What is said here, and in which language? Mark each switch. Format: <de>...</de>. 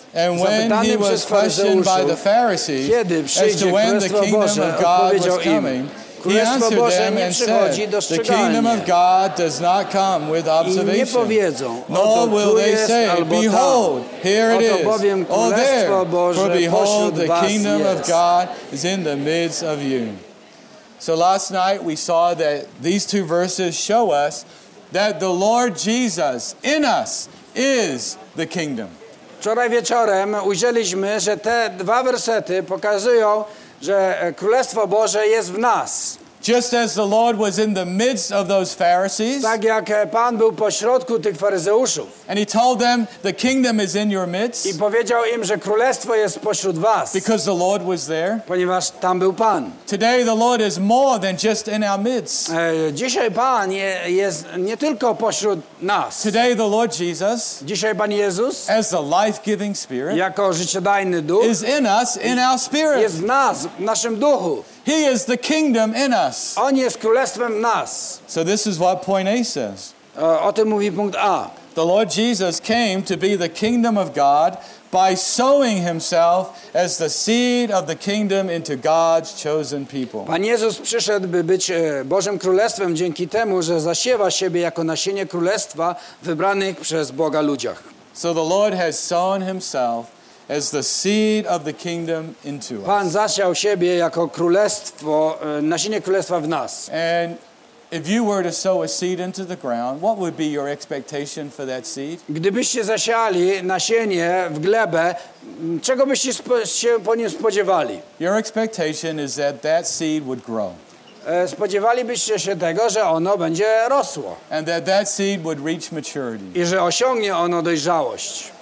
<en>And when he was questioned by the Pharisees as to when the kingdom of God was coming, he answered them and said, the kingdom of God does not come with observation, nor will they say, behold, here it is, or there, for behold, the kingdom of God is in the midst of you. So last night we saw that these two verses show us that the Lord Jesus in us is the kingdom.</en> <pl>Wczoraj wieczorem ujrzeliśmy, że te dwa wersety pokazują, że Królestwo Boże jest w nas.</pl> <en>Just as the Lord was in the midst of those Pharisees.</en> <pl>Tak jak Pan był pośrodku tych faryzeuszów.</pl> <en>And he told them, the kingdom is in your midst.</en> <pl>I powiedział im, że królestwo jest pośród was.</pl> <en>Because the Lord was there.</en> <pl>Ponieważ tam był Pan.</pl> <en>Today the Lord is more than just in our midst.</en> <pl>Dzisiaj Pan jest nie tylko pośród nas.</pl> <en>Today the Lord Jesus.</en> <pl>Dzisiaj Pan Jezus.</pl> <en>As the life-giving spirit.</en> <pl>Jako życiodajny duch.</pl> <en>Is in us, in our spirit.</en> <pl>Jest w nas, w naszym duchu.</pl> <en>He is the kingdom in us.</en> <pl>On jest królestwem nas.</pl> <en>So this is what point A says.</en> <pl>O tym mówi punkt A.</pl> <en>The Lord Jesus came to be the kingdom of God by sowing himself as the seed of the kingdom into God's chosen people.</en> <pl>Pan Jezus przyszedł, by być Bożym Królestwem dzięki temu, że zasiewa siebie jako nasienie królestwa wybranych przez Boga ludziach.</pl> <en>So the Lord has sown himself as the seed of the kingdom into us.</en> <pl>Pan zasiał siebie jako królestwo, nasienie królestwa w nas.</pl> <en>And if you were to sow a seed into the ground, what would be your expectation for that seed?</en> <pl>Gdybyście zasiali nasienie w glebę, czego byście się po nim spodziewali?</pl> <en>Your expectation is that that seed would grow.</en> <pl>Spodziewalibyście się tego, że ono będzie rosło.</pl> <en>And that that seed would reach maturity.</en> <pl>I że osiągnie ono dojrzałość.</pl>